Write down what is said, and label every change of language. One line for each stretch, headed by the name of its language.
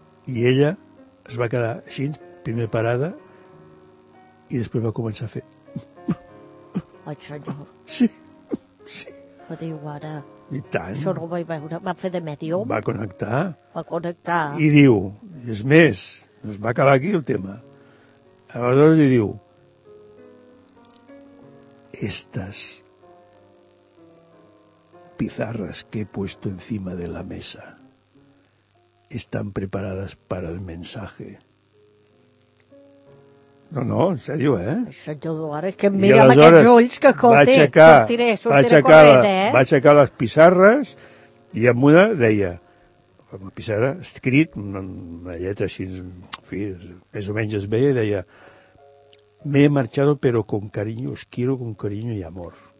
Catalan: I ella es va quedar així, primer parada, i després va començar a fer... Ai, senyor. Sí. Que diu ara. I tant. Això no ho vaig veure. Va fer de mèdium. Va connectar. I diu, és més, es va acabar aquí el tema. Aleshores li diu,
Spanish: estas pizarras que he puesto encima de la mesa están preparadas para el mensaje.
Catalan: No, en sèrio, eh? Senyor Duarte, és que em mira amb aquests ulls que, escolti, sortiré corrent, eh? Va aixecar les pissarres i amb una deia, amb la pissarra, escrit, amb la lletra així, en fi, més o menys es veia, i deia,
Spanish: me he marchado, pero con cariño, os quiero con cariño y amor.